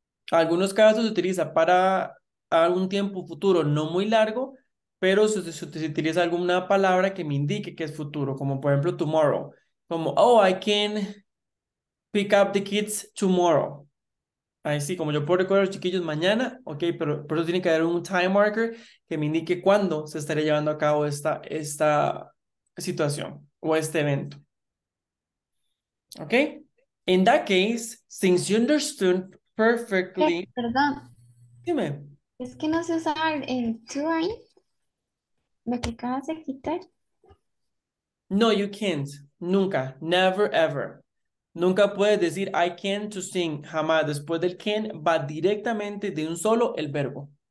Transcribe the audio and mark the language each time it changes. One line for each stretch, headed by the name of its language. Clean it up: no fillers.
Spanish: Algunos casos se utiliza para algún tiempo futuro, no muy largo, pero se utiliza alguna palabra que me indique que es futuro, como por ejemplo tomorrow, como
English: oh, I can pick up the kids tomorrow.
Spanish: Ahí sí, como yo puedo recoger a los chiquillos mañana, ok, pero por eso tiene que haber un time marker que me indique cuándo se estaría llevando a cabo esta situación o este evento.
English: Ok, in that case, since you understood perfectly.
Spanish: Perdón. Dime. Es que no se usaba el to ahí. Lo que acabas de quitar.
English: No, you can't.
Spanish: Nunca.
English: Never, ever.
Spanish: Nunca puedes decir
English: I can to sing.
Spanish: Jamás. Después del can va directamente de un solo el verbo.